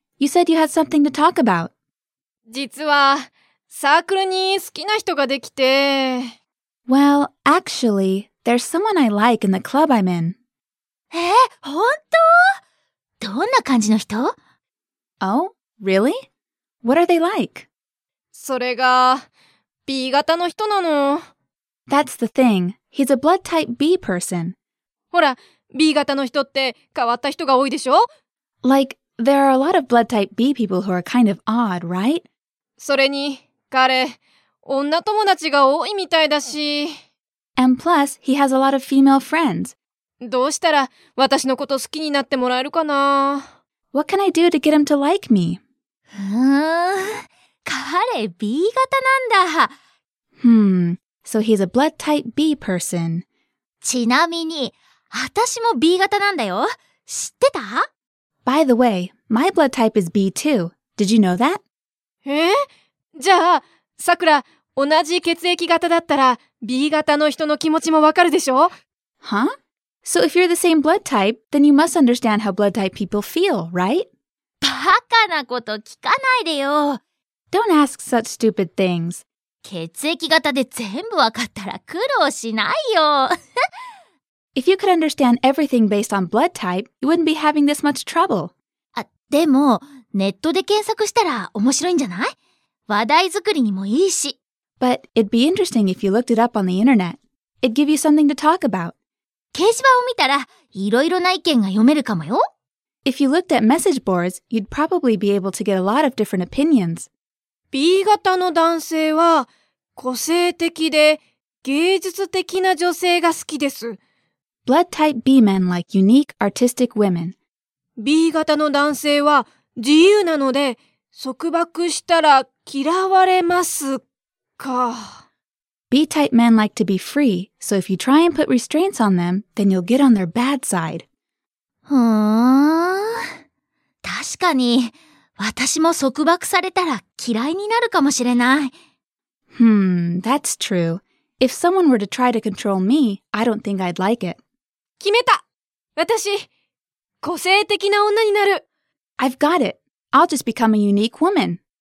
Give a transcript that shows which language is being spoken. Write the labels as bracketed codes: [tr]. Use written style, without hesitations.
[en] You said you had something to talk about. [ja] 実は、サークルに好きな人ができて。 [en] Well, actually, there's someone I like in the club I'm in. [ja] 本当？どんな感じの人？ [en] Oh, really? What are they like? [ja] それが、B 型の人なの。 [en] That's the thing. He's a blood type B person. [ja] ほら、B 型の人って変わった人が多いでしょ？ [en] Like, there are a lot of blood type B people who are kind of odd, right? [ja] それに、彼、女友達が多いみたいだし。 [en] And plus, he has a lot of female friends. [ja] どうしたら私のこと好きになってもらえるかな？ [en] What can I do to get him to like me? [ja] 彼 B 型なんだ。 [en] So he's a blood type B person. [ja] ちなみに、私も B 型なんだよ。知ってた？ [en] By the way, my blood type is B too. Did you know that? [ja] じゃあ、さくら、同じ血液型だったら B 型の人の気持ちもわかるでしょ？ [en] Huh? So if you're the same blood type, then you must understand how blood type people feel, right? [ja] バカなこと聞かないでよ。 [en] Don't ask such stupid things. [ja] 血液型で全部わかったら苦労しないよ。 [en] If you could understand everything based on blood type, you wouldn't be having this much trouble. [ja] あ、でも、ネットで検索したら面白いんじゃない？話題作りにもいいし。 [en] But it'd be interesting if you looked it up on the internet. It'd give you something to talk about. [ja] 掲示板を見たら、いろいろな意見が読めるかもよ。 [en] If you looked at message boards, you'd probably be able to get a lot of different opinions. [ja] B 型の男性は、個性的で芸術的な女性が好きです。 [en] Blood type B men like unique artistic women. [ja] B 型の男性は自由なので、束縛したら嫌われますか。 [en] B type men like to be free, so if you try and put restraints on them, then you'll get on their bad side. [ja] ふーん。確かに、私も束縛されたら嫌いになるかもしれない。 [en] That's true. If someone were to try to control me, I don't think I'd like it. [ja] 決めた。私、個性的な女になる。 [en] I've got it. I'll just become a unique woman.